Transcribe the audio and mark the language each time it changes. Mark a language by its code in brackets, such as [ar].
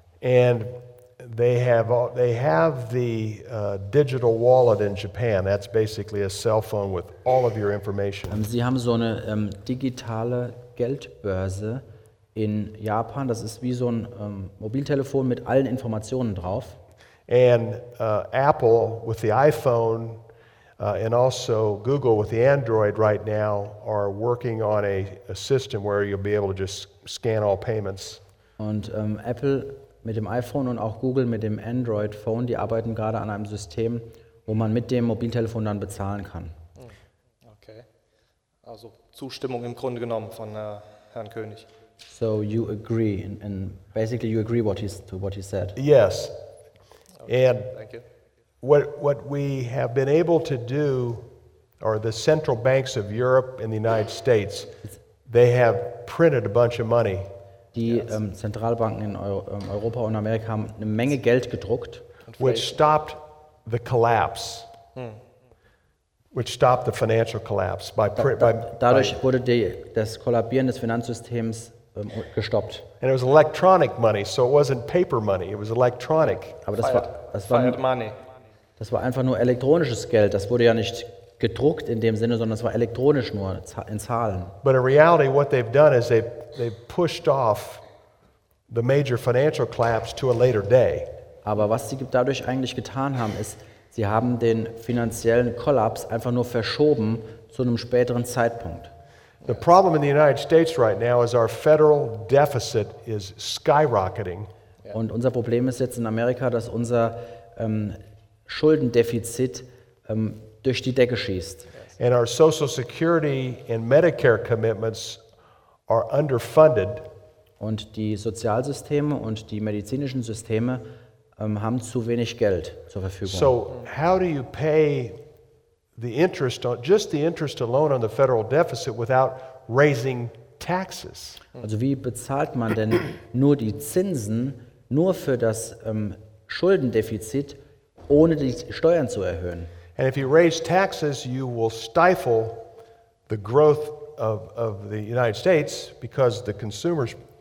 [en] And they have the digital wallet in Japan. That's basically a cell phone with all of your information. [de] Sie haben so eine digitale Geldbörse in Japan. Das ist wie so ein Mobiltelefon mit allen Informationen drauf. [en] And Apple with the iPhone and also Google with the Android right now are working on a system where you'll be able to just scan all payments. [de] Und Apple mit dem iPhone und auch Google mit dem Android Phone, die arbeiten gerade an einem System, wo man mit dem Mobiltelefon dann bezahlen kann. [en] Okay. [de] Also Zustimmung im Grunde genommen von Herrn König. [en] So you agree, and basically you agree what he said. Yes. Okay. And thank you. What we have been able to do, or the central banks of Europe and the United States, they have printed a bunch of money. [de] Die Zentralbanken in Europa und Amerika haben eine Menge Geld gedruckt, [en] which stopped the collapse. Which stopped the financial collapse [de] dadurch wurde das Kollabieren des Finanzsystems gestoppt. [en] And it was electronic money, so it wasn't paper money. It was electronic. [de] Aber das war einfach nur elektronisches Geld. Das wurde ja nicht gedruckt in dem Sinne, sondern es war elektronisch nur in Zahlen. [en] But in reality, what they've done is they've pushed off the major financial collapse to a later day. [de] Aber was sie dadurch eigentlich getan haben, ist, sie haben den finanziellen Kollaps einfach nur verschoben zu einem späteren Zeitpunkt. [en] The problem in the United States right now is our federal deficit is skyrocketing. [de] Und unser Problem ist jetzt in Amerika, dass unser Schuldendefizit durch die Decke schießt. [en] And our Social Security and Medicare commitments are underfunded. [de] Und die Sozialsysteme und die medizinischen Systeme haben zu wenig Geld zur Verfügung. [en] So, how do you pay the interest on just the interest alone on the federal deficit without raising taxes? [de] Also wie bezahlt man denn nur die Zinsen nur für das Schuldendefizit ohne die Steuern zu erhöhen? [en] And if you raise taxes, you will stifle the growth of the United States because the consumers